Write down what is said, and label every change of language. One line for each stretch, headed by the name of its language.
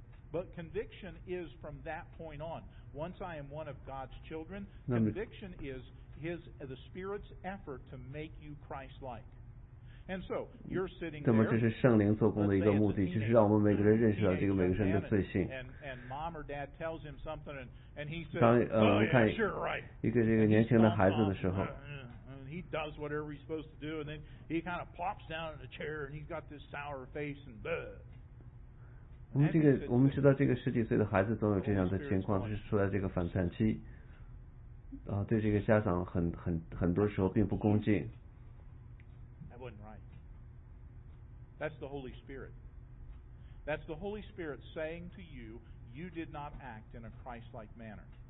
English: But conviction is from that point on. Once I am one of God's children, conviction is the Spirit's effort to make you Christ-like. And so you're sitting there.
Chinese: 那么这是圣灵做工的一个目的，就是让我们每个人认识到这个每个人的罪性。
English: And mom or dad tells him something, and he says,
Chinese: 当看
English: sure, right.
Chinese: 一个这个年轻的孩子的时候。
English: He does whatever he's supposed to do, and then he kind of plops down in a chair, and he's got this sour face and blah.
Chinese: 我们知道这个十几岁的孩子总有这样的情况，是处在这个反叛期，对这个家长很多时候并不恭敬。
English: That wasn't right. That's the Holy Spirit. That's the Holy Spirit saying to you, you did not act in a Christ-like manner.